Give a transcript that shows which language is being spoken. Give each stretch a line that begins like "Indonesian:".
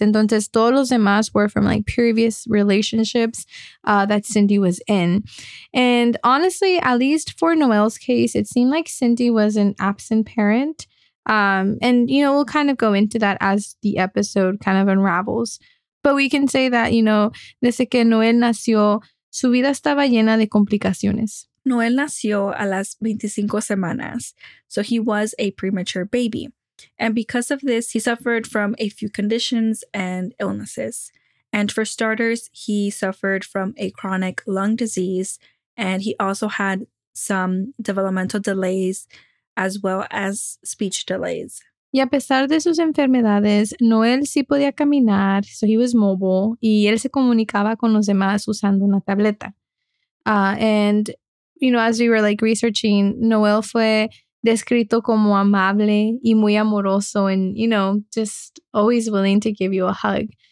Spanish: Entonces, todos los demás
English: were from like previous relationships that Cindy was in. And honestly, at least for Noel's case, it seemed like Cindy was an absent parent. And, you know, we'll kind of go into that as the episode kind of unravels. But we can say that, you know,
Spanish: desde que Noel nació, su vida estaba llena de complicaciones. Noel nació a las 25 semanas,
English: so he was a premature baby. And because of this, he suffered from a few conditions and illnesses. And for starters, he suffered from a chronic lung disease, and he also had some developmental delays as well as speech delays.
Spanish: Y a pesar de sus enfermedades, Noel sí podía caminar,
English: so he was mobile,
Spanish: y él se comunicaba con los demás usando una tableta.
English: And, you know, as we were like researching,
Spanish: Noel fue descrito como amable y muy amoroso
English: and, you know, just always willing to give you a hug.